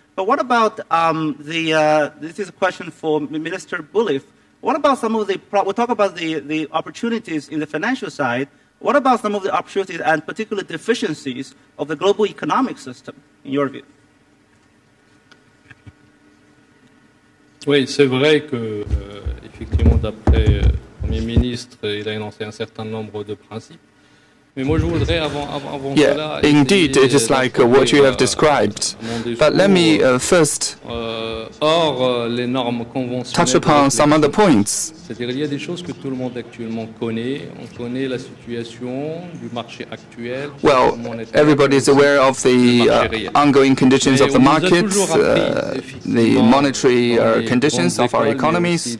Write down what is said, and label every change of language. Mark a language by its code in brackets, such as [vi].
[en] But what about this is a question for Minister Boulif. What about some of the, we'll talk about the opportunities in the financial side. What about some of the opportunities and particular deficiencies of the global economic system, in your view? [fr] Oui, c'est vrai que, effectivement, d'après le Premier ministre, il a énoncé un certain nombre de principes. [en] Yeah, indeed, it is like what you have described. But let me first touch upon some other points. Well, everybody is aware of the ongoing conditions of the market, the monetary conditions of our economies.